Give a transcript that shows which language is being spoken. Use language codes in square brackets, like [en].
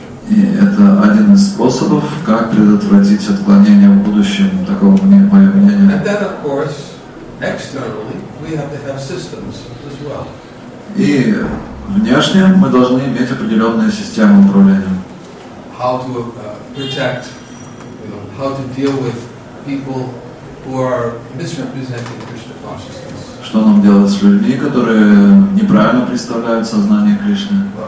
[ru] И это один из способов, как предотвратить отклонение в будущем, такого мнения, мое мнение. [en] And then, of course, externally, we have to have systems as well. [ru] И внешне мы должны иметь определенные системы управления. [en] How to protect, how to deal with people [ru] Что нам делать с людьми, которые неправильно представляют сознание Кришны?